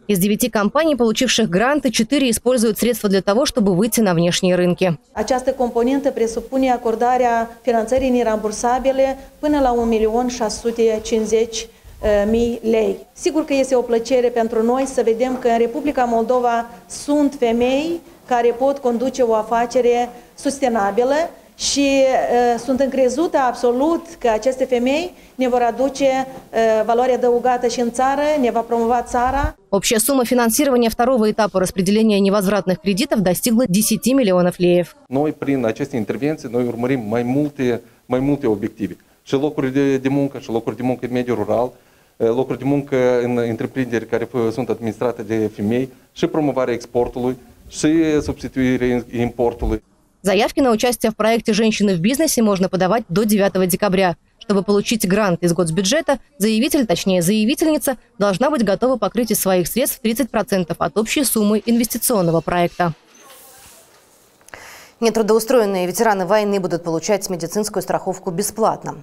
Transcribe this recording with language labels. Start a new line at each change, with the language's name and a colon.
Russian: Из 9 компаний, получивших гранты, 4 используют средства для того, чтобы выйти на внешние рынки.
Romanian: Această компонентă presupune acordarea finanțării nerambursabile până la 1.650.000 lei. Sigur că este o plăcere pentru noi să vedem că în Republica Moldova sunt femei care pot conduce o afacere sustenabilă și sunt încrezută absolut că aceste femei ne vor aduce valoare adăugată și în țară, ne va promova țara.
Russian: Общая сумма финансирования второго этапа распределения невозвратных кредитов достигла 10 миллионов леев.
Romanian: Noi prin aceste intervenții noi urmărim mai multe obiective. Și locuri de muncă, și locuri de muncă în mediul rural, locuri de muncă în întreprinderi care sunt administrate de femei, și promovarea exportului, și substituirea importului.
Russian: Заявки на участие в проекте «Женщины в бизнесе» можно подавать до 9 декабря. Чтобы получить грант из госбюджета, заявитель, точнее заявительница, должна быть готова покрыть из своих средств 30% от общей суммы инвестиционного проекта. Нетрудоустроенные ветераны войны будут получать медицинскую страховку бесплатно.